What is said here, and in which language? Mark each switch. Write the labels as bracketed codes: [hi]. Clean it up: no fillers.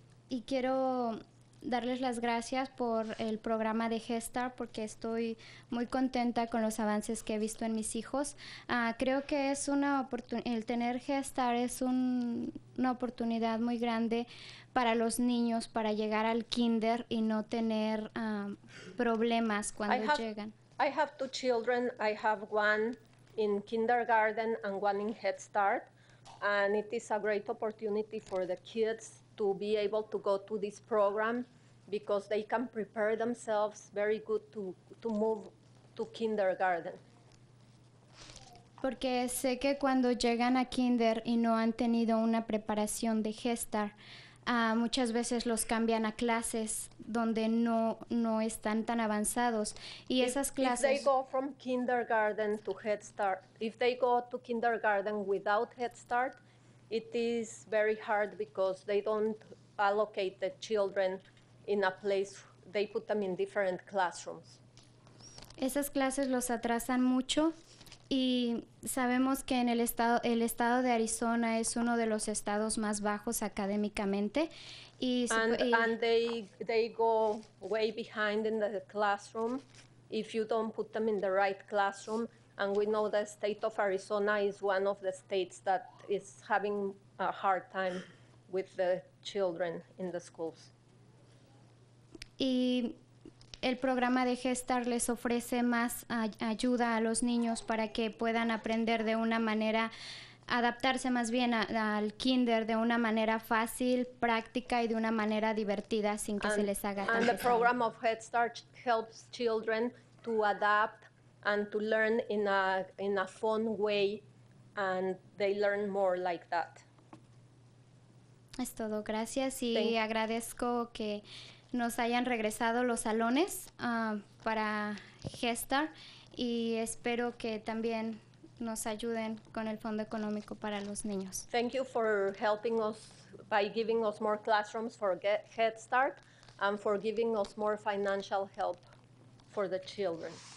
[es] Y quiero darles las gracias por el programa de Hester porque estoy muy contenta con los avances que he visto en mis hijos. Creo que es una el tener Hester es una oportunidad muy grande para los niños para llegar al kinder y no tener problemas cuando llegan. [en] I have two children. I have one in kindergarten and one in Head Start, and it is a great opportunity for the kids to be able to go to this program because they can prepare themselves very good to move to kindergarten. [es] Porque sé que cuando llegan a kinder y no han tenido una preparación de Hester, muchas veces los cambian a clases donde no están tan avanzados y esas clases. [en] If they go from kindergarten to Head Start, if they go to kindergarten without Head Start, it is very hard because they don't allocate the children in a place, they put them in different classrooms. [es] Esas clases los atrasan mucho y sabemos que en el estado de Arizona es uno de los estados más bajos académicamente. [en] And they go way behind in the classroom if you don't put them in the right classroom. And we know the state of Arizona is one of the states that is having a hard time with the children in the schools. [es] Y el programa de Hester les ofrece más ayuda a los niños para que puedan aprender de una manera adaptarse más bien al kinder de una manera fácil, práctica y de una manera divertida sin que se les haga. [en] And the program of Head Start helps children to adapt and to learn in a fun way, and they learn more like that. [es] Es todo, gracias y agradezco que nos hayan regresado los salones para Head Start y espero que también nos ayuden con el fondo económico para los niños. [en] Thank you for helping us by giving us more classrooms for Head Start and for giving us more financial help for the children.